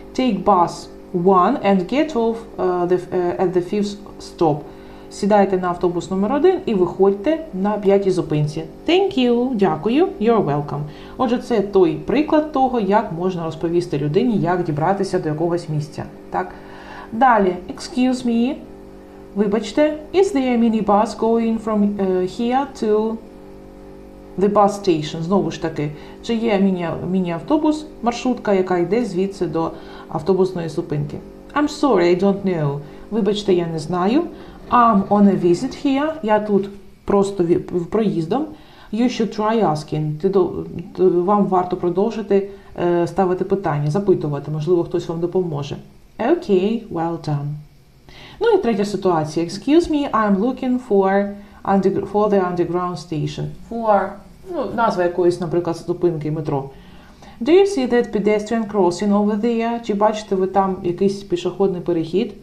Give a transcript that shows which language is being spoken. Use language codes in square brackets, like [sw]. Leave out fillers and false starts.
[en] Take bus one and get off at the fifth stop. [uk] Сідайте на автобус номер 1 і виходьте на 5-й зупинці. [en] Thank you, дякую, you're welcome. [uk] Отже, це той приклад того, як можна розповісти людині, як дібратися до якогось місця. Так. [en] Далі, excuse me, вибачте, is there a minibus going from here to the bus station? [uk] Знову ж таки, чи є міні-автобус, маршрутка, яка йде звідси до автобусної зупинки? [en] I'm sorry, I don't know. [uk] Вибачте, я не знаю. [en] I'm on a visit here. [uk] Я тут просто проїздом. [en] You should try asking. [uk] Вам варто продовжити ставити питання, запитувати. Можливо, хтось вам допоможе. [en] Okay, well done. [uk] Ну і третя ситуація. [en] Excuse me, I'm looking for the underground station. [uk] For, назва якоїсь, наприклад, зупинки метро. [en] Do you see that pedestrian crossing over there? [uk] Чи бачите ви там якийсь пішохідний перехід?